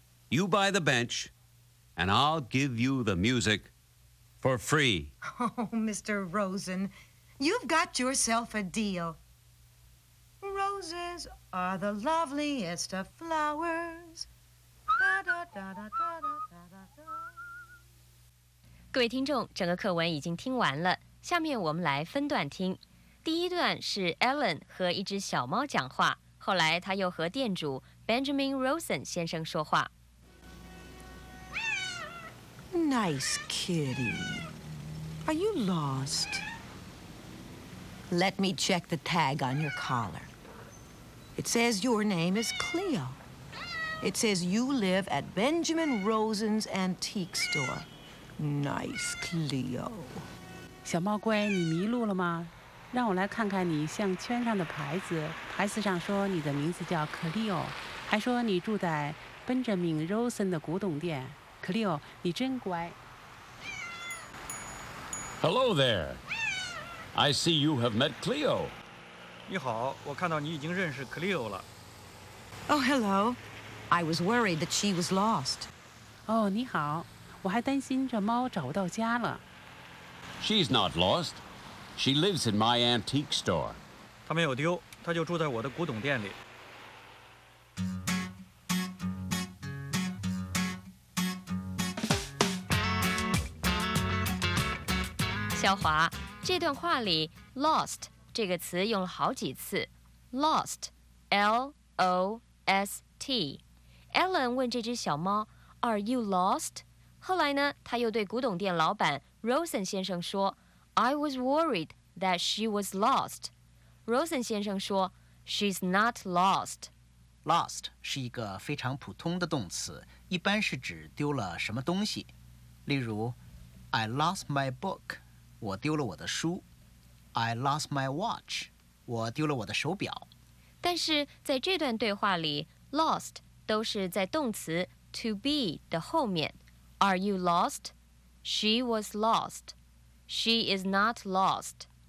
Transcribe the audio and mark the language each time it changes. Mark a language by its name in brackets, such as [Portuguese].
[English] You buy the bench, and I'll give you the music for free. Oh, Mr. Rosen, you've got yourself a deal. Roses are the loveliest of flowers. Da, da, da, da, da, da, da, da. [Chinese] 各位听众，整个课文已经听完了，下面我们来分段听。第一段是 Ellen 和一只小猫讲话，后来他又和店主 Benjamin Rosen 先生说话。 [English] Nice kitty. Are you lost? Let me check the tag on your collar. It says your name is Cleo. It says you live at Benjamin Rosen's antique store. Nice Cleo. [Chinese] 小猫乖，你迷路了吗？让我来看看你项圈上的牌子，牌子上说你的名字叫 Cleo， 还说你住在 Benjamin Rosen 的古董店。 Cleo， 你真乖。 [English] Hello there. I see you have met Cleo. [Chinese] 你好，我看到你已经认识 Cleo 了。 [English] Oh, hello. I was worried that she was lost. [Chinese] 哦、oh, ，你好，我还担心这猫找不到家了。 [English] She's not lost. She lives in my antique store. [Chinese] 她没有丢，她就住在我的古董店里。小华，这段话里 lost 这个词用了好几次。 [English] Lost, L-O-S-T. [Chinese] Ellen 问这只小猫 , [English] Are you lost? [Chinese] 后来呢他又对古董店老板 Rosen 先生说 , [English] I was worried that she was lost. [Chinese] Rosen 先生说 , [English] She's not lost. [Chinese] Lost 是一个非常普通的动词，一般是指丢了什么东西。例如 [English] ,I lost my book. [Chinese] 我丢了我的书 ， [English] I lost my watch， [Chinese] 我丢了我的手表。但是在这段对话里 ，lost 都是在动词 to be 的后面。 [English] Are you lost? She was lost. She is not lost.